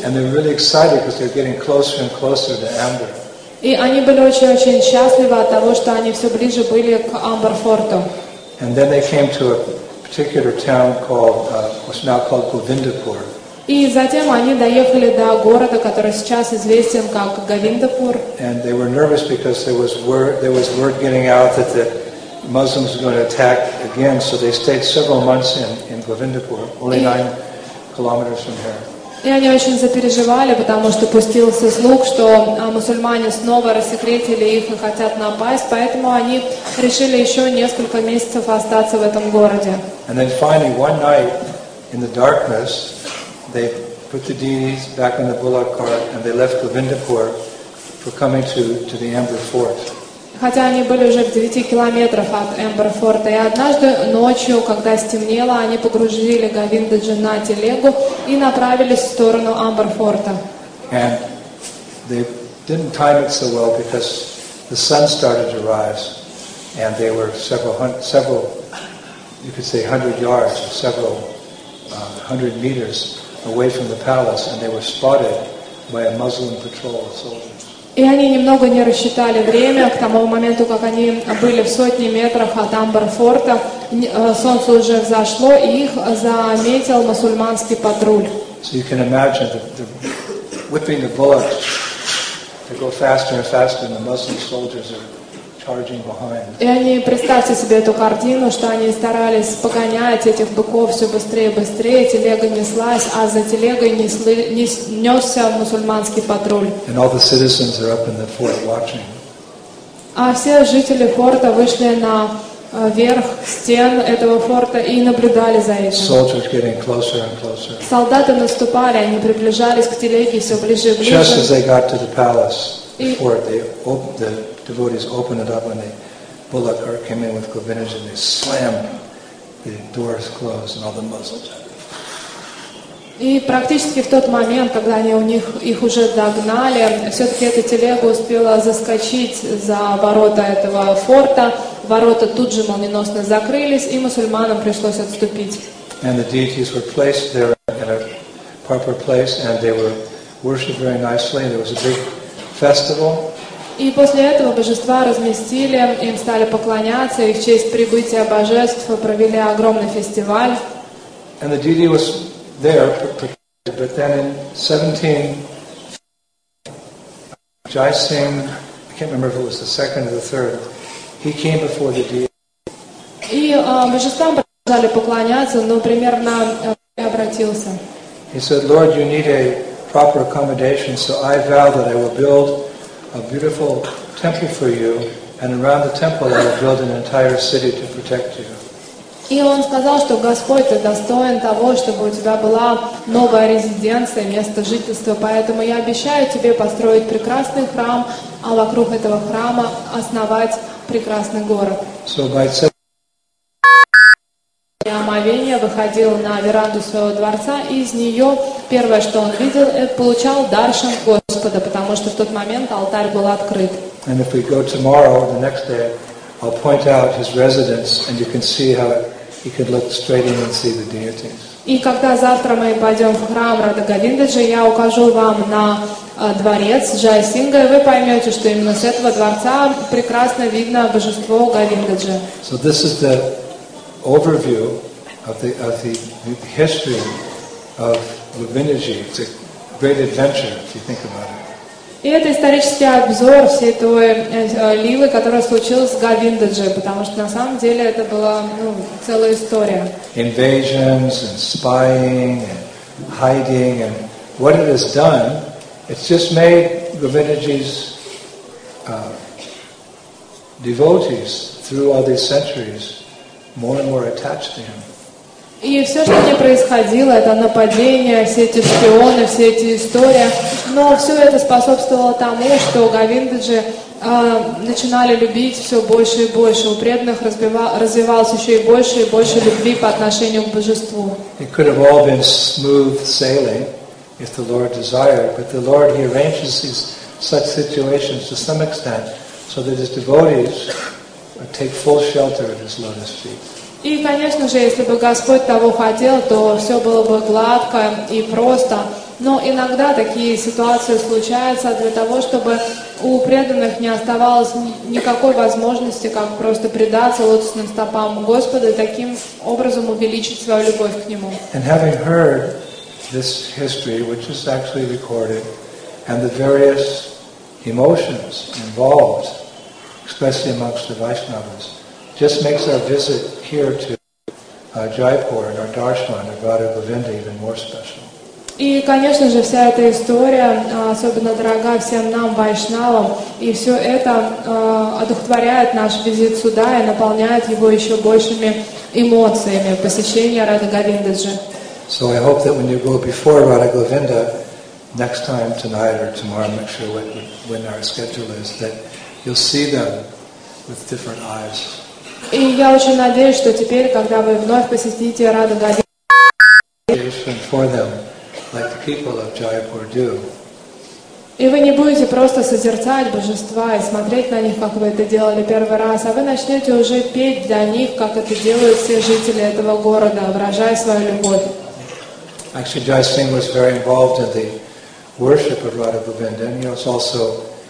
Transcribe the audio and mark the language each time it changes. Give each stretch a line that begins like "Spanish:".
English: And they're really excited because they're getting closer and closer to Amber.
Russian: И они были очень-очень счастливы от того, что они все ближе были к Амбарфорту.
English: And then they came to a particular town called what's now called Govindapur.
Russian: И затем они доехали до города, который сейчас известен как Говиндапур.
English: And they were nervous because there was word getting out that the Muslims were going to attack again, so they stayed several months in Govindapur, only 9 kilometers from here.
Russian: И они очень запереживали, потому что пустился слух, что мусульмане снова рассекретили их и хотят напасть, поэтому они решили еще несколько месяцев остаться в этом городе.
English: And then finally, one night, in the darkness, they put the deities back in the bullock cart and they left Govindapur for coming to the Amber Fort.
Russian: Хотя они были уже в 9 километрах от Амбарфорта, и однажды ночью, когда стемнело, они погрузили Говиндаджи на телегу и направились в сторону Амбарфорта.
English: And they didn't time it so well because the sun started to rise, and they were several hundred meters away from the palace, and they were spotted by a Muslim patrol of soldiers.
Russian: И они немного не рассчитали время к тому моменту, как они были в сотни метрах от Амбар-форта. Солнце уже взошло, и их заметил мусульманский патруль.
English: So you can imagine the whipping the bullets to go faster and faster, and the Muslim soldiers are charging behind.
Russian: И они, представьте себе эту картину, что они старались погонять этих быков все быстрее и быстрее, телега неслась, а за телегой несся мусульманский патруль.
English: And all the citizens are up in the fort watching.
Russian: А все жители форта вышли на верх стен этого форта и наблюдали за этим.
English: Soldiers getting closer and closer.
Russian: Солдаты наступали, они приближались к телеге все ближе и ближе.
English: Just as they got to the palace, the fort, the devotees opened it up, and the bullock cart came in with Govindaji, and they slammed the doors closed, and all the Muslims.
Russian: И практически в тот момент, когда они их уже догнали, все-таки эта телега успела заскочить за ворота этого форта. Ворота тут же молниеносно закрылись, и мусульманам пришлось отступить.
English: And the deities were placed there in a proper place, and they were worshipped very nicely, and there was a big festival.
Russian: И после этого божества разместили, им стали поклоняться, и в честь прибытия божеств провели огромный фестиваль.
English: And the deity was there, but then in 17, Jai Singh, I can't remember if it was the second or the third, he came before the deity.
Russian: Божествам продолжали поклоняться, но примерно обратился.
English: He said, Lord, you need a proper accommodation, so I vow that I will build a beautiful temple for you, and around the temple I will build an entire city to protect you.
Russian: И он сказал, что Господь, ты достоин того, чтобы у тебя была новая резиденция, место жительства. Поэтому я обещаю тебе построить прекрасный храм, а вокруг этого храма основать прекрасный город.
English: So by
Russian: И омовение выходил на веранду своего дворца, и из нее первое, что он видел, это получал даршан Господа, потому что в тот момент алтарь был открыт.
English: And if we go tomorrow, the next day, I'll point out his residence, and you can see how he could look straight in and see the deities.
Russian: И когда завтра мы пойдем в храм Радха Говиндаджи, я укажу вам на дворец Джай Синга, и вы поймете, что именно с этого дворца прекрасно видно божество Говиндаджи.
English: So this is the overview of the history of Govindaji. It's a great adventure if you think about it.
Russian: И это исторический обзор всей той лилы, которая случилась с Говиндаджи, потому что на самом деле это была целая история.
English: Invasions and spying and hiding and what it has done, it's just made Govindaji's devotees through all these centuries more and more attached to him.
Russian: И все, что не происходило, это нападения, все эти шпионы, все эти истории. Но все это способствовало тому, что Говиндаджи начинали любить все больше и больше. У преданных развивалось еще и больше любви по отношению к божеству.
English: It could have all been smooth sailing if the Lord desired, but the Lord, He arranges these such situations to some extent so that His devotees take full shelter at His lotus feet.
Russian: И, конечно же, если бы Господь того хотел, то все было бы гладко и просто. Но иногда такие ситуации случаются для того, чтобы у преданных не оставалось никакой возможности, как просто предаться лотосным стопам Господа и таким образом увеличить свою любовь к Нему.
English: And having heard this history, which is actually recorded, and the various emotions involved, especially amongst the Vaishnavas, just makes our visit here to Jaipur and our darshan of Radha Govinda even more special.
Russian: И, конечно же, вся эта история особенно дорога всем нам, вайшнавам, и все это одухотворяет наш визит сюда и наполняет его еще большими эмоциями посещения Радха Говиндаджи.
English: So I hope that when you go before Radha Govinda, next time tonight or tomorrow, make sure when our schedule is, that you'll see them with different eyes.
Russian: И я очень надеюсь, что теперь, когда вы вновь посетите Радха Говиндаджи, и вы не будете просто созерцать божества и смотреть на них, как вы это делали первый раз, а вы начнете уже петь для них, как это делают все жители этого города, выражая свою любовь.
English: Actually, Jai Singh was very involved in the worship of Radha Govinda, and he was also